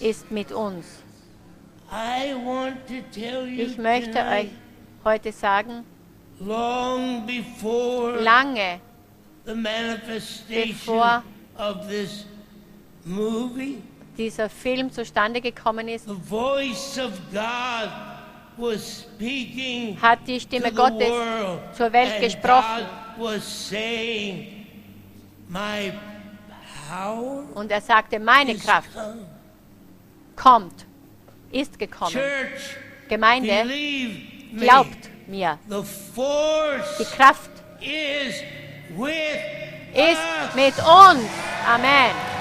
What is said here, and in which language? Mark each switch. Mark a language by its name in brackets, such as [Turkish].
[German] Ist mit uns. [English] I want to tell you [German] ich möchte [English] tonight, [German] euch heute sagen, [English] long before [German] lange [English] the manifestation [German] bevor [English] of this movie, [German] dieser Film zustande gekommen ist, [English] the voice of God was speaking [German] hat die Stimme [English] to [German] Gottes [English] the world, [German] zur Welt gesprochen. [English] And God was saying, my power [German] und er sagte, meine Kraft kommt. Ist gekommen. [English] Church, [German] Gemeinde, [English] believe me, [German] glaubt mir. [English] The force [German] die Kraft [English] is with [German] ist [English] us. [German] Mit uns. Amen.